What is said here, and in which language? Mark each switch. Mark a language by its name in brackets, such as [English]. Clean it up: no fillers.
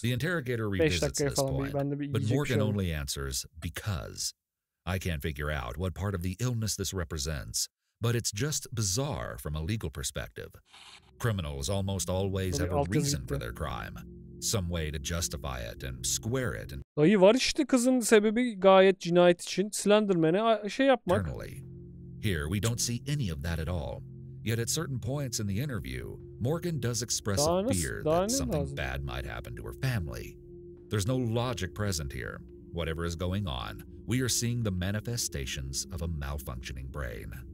[English] The interrogator revisits this point, but Morgan only answers, because. I can't figure out what part of the illness this represents, but it's just bizarre from a legal perspective. Criminals almost always have a reason for their crime, some way to justify it and square it. [Turkish] Dayı var işte, kızın sebebi gayet cinayet için Slenderman'e şey yapmak. [English] Internally. Here we don't see any of that at all. Yet at certain points in the interview, Morgan does express a fear that something bad might happen to her family. There's no logic present here. Whatever is going on, we are seeing the manifestations of a malfunctioning brain.